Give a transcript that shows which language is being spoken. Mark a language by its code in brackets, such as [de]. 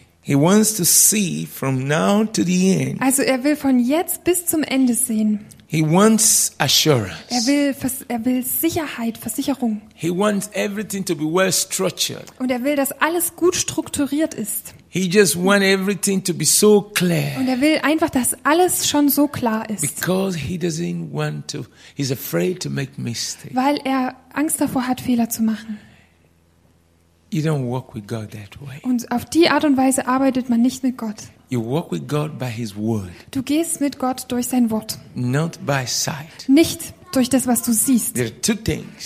[en] He wants to see from now to the end. [de] Also er will von jetzt bis zum Ende sehen. [en] He wants assurance. [de] Er will Sicherheit, Versicherung. [en] He wants everything to be well structured. [de] Und er will, dass alles gut strukturiert ist. [en] He just wants everything to be so clear. [de] Und er will einfach, dass alles schon so klar ist. [en] Because he doesn't want to, he's afraid to make mistakes. [de] Weil er Angst davor hat, Fehler zu machen. [en] You don't work with God that way. [de] Und auf die Art und Weise arbeitet man nicht mit Gott. [en] You work with God by His word. [de] Du gehst mit Gott durch sein Wort. [en] Not by sight. [de] Nicht durch das, was du siehst. [en] There are two things.